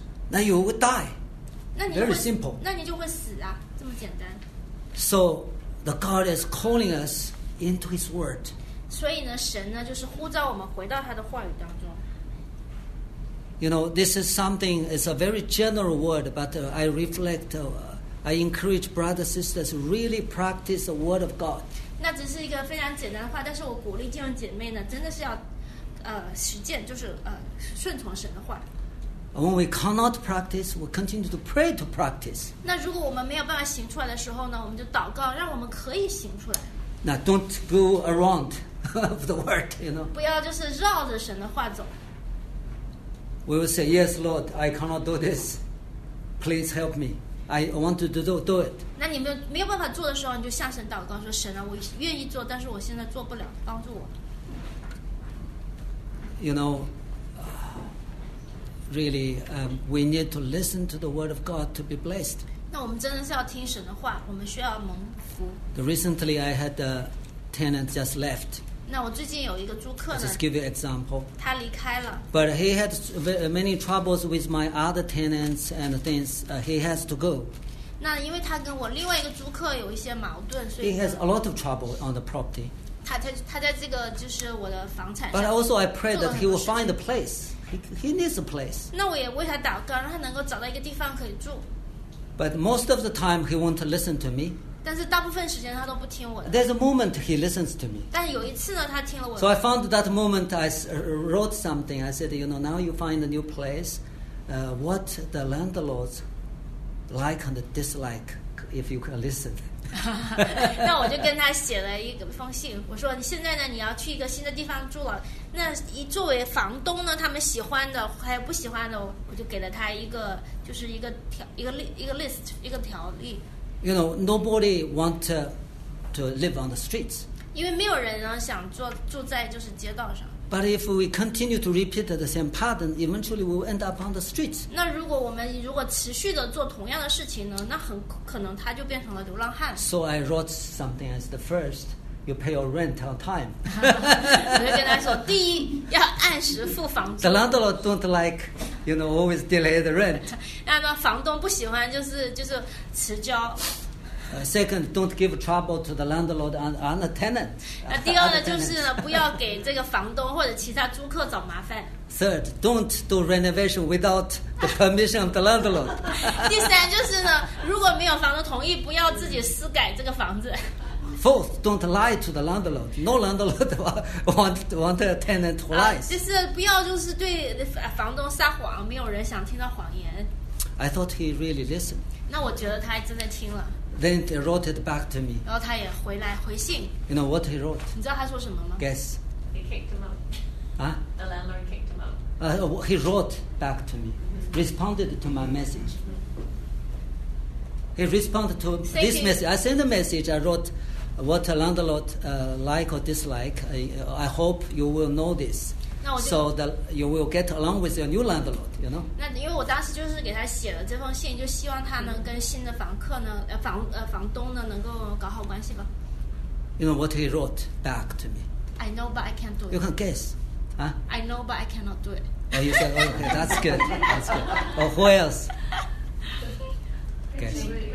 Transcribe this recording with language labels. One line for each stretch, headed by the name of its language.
English: Then you would die. Very simple.
Chinese: 那你就会死啊。这么简单。
English: So, the God is calling us into His Word.
Chinese: 所以呢，神呢就是呼召我们回到他的话语当中。
English: You know, this is something. It's a very general word, but I reflect. I encourage brothers and sisters really practice the Word of God.
Chinese: 那只是一个非常简单的话，但是我鼓励弟兄姐妹呢，真的是要实践，就是顺从神的话。
English: When we cannot practice, we continue to pray to practice.
Chinese: 那如果我们没有办法行出来的时候呢，我们就祷告，让我们可以行出来。
English: Now don't go around of the word, you know.
Chinese: 不要就是绕着神的话走。
English: We will say, "Yes, Lord, I cannot do this. Please help me. I want to do it."
Chinese: 那你没有办法做的时候，你就向神祷告，说神啊，我愿意做，但是我现在做不了，帮助我。
English: You know. Really, we need to listen to the word of God to be blessed.
Chinese: 那我们真的是要听神的话，我们需要蒙福。
English: Recently, I had a tenant just left.
Chinese: 那我最近有一个租客呢。
English: Just give you an example.
Chinese: 他离开了。
English: But he had many troubles with my other tenants and things. He has to go.
Chinese: 那因为他跟我另外一个租客有一些矛盾，所以。
English: He has a lot of trouble on the property.
Chinese: 他在这个就是我的房产上。
English: But also, I pray that he will find a place. He needs a place.
Chinese: 那我也为他祷告，让他能够找到一个地方可以住。
English: But most of the time, he won't listen to me.
Chinese: 但是大部分时间他都不听我的。
English: There's a moment he listens to me.
Chinese: 但有一次呢，他听了我。
English: So I found that moment. I wrote something. I said, you know, now you find a new place. What the landlords like and dislike, if you can listen.
Chinese: 那我就跟他写了一封信，我说现在呢，你要去一个新的地方住了。那一作为房东呢，他们喜欢的还有不喜欢的，我就给了他一个，就是一个 list， 一个条例。
English: You know, nobody want to live on the streets.
Chinese: 因为没有人呢想住在就是街道上。
English: But if we continue to repeat the same pattern, eventually we will end up on the streets.
Chinese: 那如果我们如果持续的做同样的事情呢，那很可能他就变成了流浪汉。
English: So I wrote something as the first. You pay your rent on time.
Chinese: 我就跟他说，第一要按时付房租。
English: The landlord don't like, you know, always delay the rent.
Chinese: 那么房东不喜欢就是迟交。
English: Second, don't give trouble to the landlord and the tenant.
Chinese: 那第二呢，就是呢，不要给这个房东或者其他租客找麻烦。
English: Third, don't do renovation without the permission of the landlord.
Chinese: 第三就是呢，如果没有房东同意，不要自己私改这个房子。
English: Fourth, don't lie to the landlord. No landlord want a tenant to lie.
Chinese: 就是不要就是对房东撒谎，没有人想听到谎言。
English: I thought he really listened.
Chinese: 那我觉得他真的听了。
English: Then he wrote it back to me.
Chinese: 然后他也回信。
English: You know what he wrote?
Chinese: 你知道他说什么吗
English: ？Guess. He kicked him out. 啊？The landlord kicked him out. He wrote back to me, responded to my message. He responded to this message. I sent a message. I wrote. What a landlord like or dislike, I hope you will know this. So that you will get along with your new landlord, you know.
Chinese: 那因为我当时就是给他写了这封信，就希望他能跟新的房客呢，房东呢能够搞好关系吧。
English: You know what he wrote back to me? I know, but I can't do it. You can guess, I know, but I cannot do it. Oh, you said, oh, okay, that's good. That's good. Oh, who else? Guess.